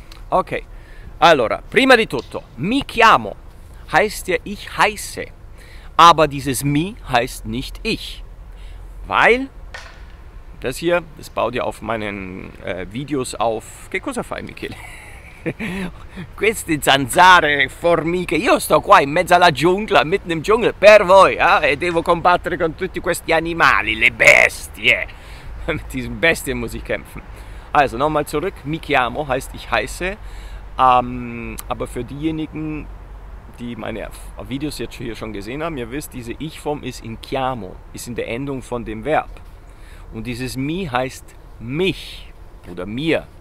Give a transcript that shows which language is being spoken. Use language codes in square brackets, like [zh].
[it] Okay, allora, prima di tutto, mi chiamo [de] heißt ja, ich heiße. Aber dieses mi heißt nicht ich. Weil, das hier, das baut ja auf meinen Videos auf. [it] Che cosa fai, Michele? Queste zanzare, formiche, io sto qua in mezzo alla giungla, [de] mitten im Dschungel, [it] per voi, e devo combattere con tutti questi animali, le bestie. [de] Mit diesen Bestien muss ich kämpfen. Also nochmal zurück, mi chiamo heißt ich heiße, aber für diejenigen, die meine Videos jetzt hier schon gesehen haben, ihr wisst, diese Ich-Form ist in chiamo, ist in der Endung von dem Verb. Und dieses mi heißt mich oder mir.